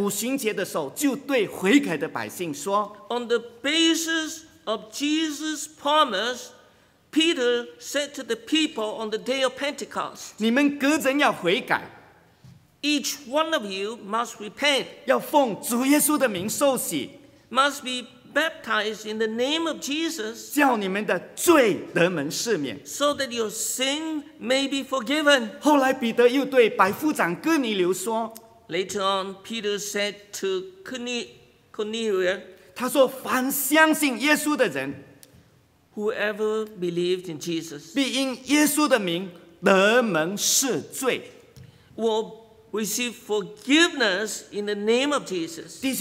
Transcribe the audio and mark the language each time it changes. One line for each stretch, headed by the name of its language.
Chinese: 根据主耶稣这样的应许，彼得在五旬节的时候就对悔改的百姓说，
English: On the basis of Jesus' promise, Peter said to the people on the day of Pentecost,
Chinese: 你们个人要悔改。
English: Each one of you must repent.
Chinese: 要奉主耶稣的名受洗。
English: Must be baptized in the name of Jesus,
Chinese: 叫你们的罪得蒙赦免，
English: so that your sin may be forgiven.
Chinese: 后来彼得又对百夫长哥尼流说，
English: Later on, Peter said to Cornelius,
Chinese: 他说凡相信耶稣的人，
English: whoever believed in Jesus,
Chinese: 必因耶稣的名得蒙赦罪，
English: will receive forgiveness in the name of Jesus.